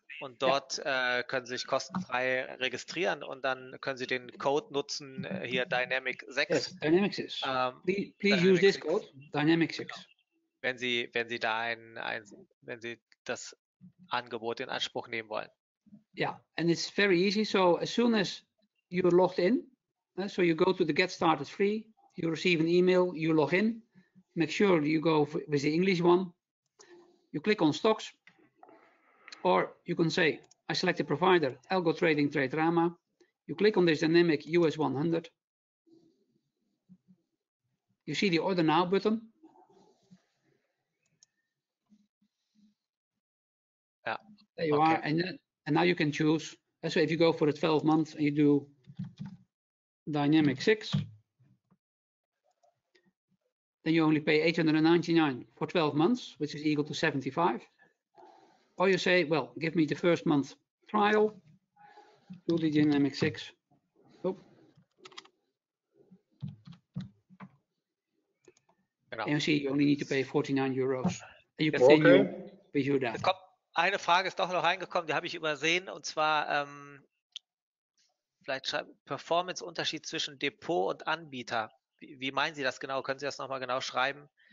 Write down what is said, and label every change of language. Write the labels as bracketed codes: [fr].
[de] Und dort können Sie sich kostenfrei registrieren und dann können Sie den Code nutzen, hier Dynamic 6. [en] Yes, Dynamic 6. Please Dynamic use this 6. code, Dynamic 6. [de] Genau. Wenn Sie da wenn Sie das Angebot in Anspruch nehmen wollen. [en] Ja, yeah, and it's very easy. So as soon as you're logged in, so you go to the Get Started Free, you receive an email, you log in, make sure you go with the English one, you click on Stocks, or you can say, I select a provider, Algo Trading Traderama. You click on this dynamic US 100. You see the order now button. Yeah. There you are. And now you can choose. So if you go for a 12 month and you do dynamic 6, then you only pay 899 for 12 months, which is equal to 75. Or you say, well, give me the first month trial, do the Dynamic 6. [de] Genau. [en] And you see, you only need to pay 49 euros. And you continue with your data. [de] Eine Frage ist doch noch reingekommen, die habe ich übersehen. Und zwar, vielleicht schreibt Performance-Unterschied zwischen Depot und Anbieter. Wie meinen Sie das genau? Können Sie das nochmal genau schreiben?